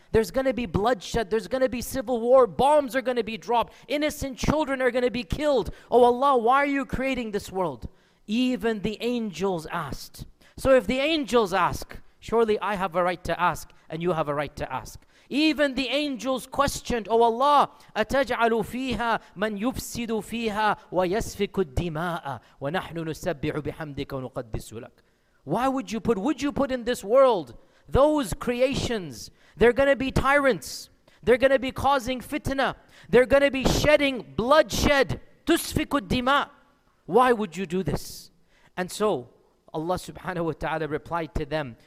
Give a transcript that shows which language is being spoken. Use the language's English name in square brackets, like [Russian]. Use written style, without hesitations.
[English] There's going to be bloodshed, there's going to be civil war, bombs are going to be dropped, innocent children are going to be killed. Oh Allah, why are you creating this world? Even the angels asked. So if the angels ask, surely I have a right to ask and you have a right to ask. Even the angels questioned, Oh Allah, [Arabic] أَتَجْعَلُ فِيهَا مَنْ يُفْسِدُ فِيهَا وَيَسْفِكُ الدِّمَاءَ وَنَحْنُ نُسَبِّعُ بِحَمْدِكَ وَنُقَدِّسُ لَكَ. [English] Why would you put, in this world those creations? They're going to be tyrants. They're going to be causing fitna. They're going to be shedding bloodshed. [Arabic] تُسْفِكُ الدِّمَاء. [English] Why would you do this? And so Allah subhanahu wa ta'ala replied to them.